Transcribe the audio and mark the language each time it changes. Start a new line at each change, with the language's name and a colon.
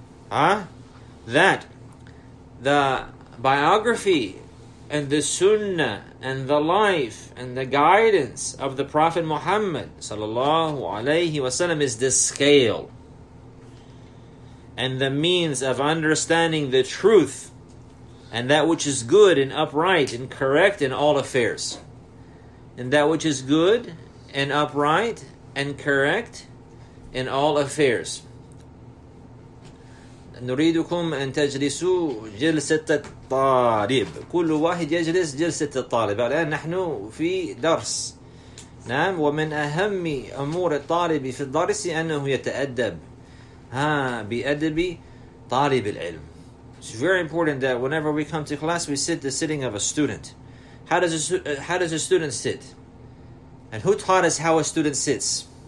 English: That the biography and the sunnah and the life and the guidance of the Prophet Muhammad sallallahu alayhi wa sallam is the scale and the means of understanding the truth and that which is good and upright and correct in all affairs. And that which is good and upright and correct in all affairs.
Arabic: نريدكم أن تجلسوا جلسة الطالب كل واحد يجلس جلسة الطالب الآن نحن في درس نعم ومن أهم أمور الطالب في الدرس أنه يتأدب بأدب طالب العلم.
English: It's very important that whenever we come to class we sit the sitting of a student. How does a student sit? And who taught us how a student sits?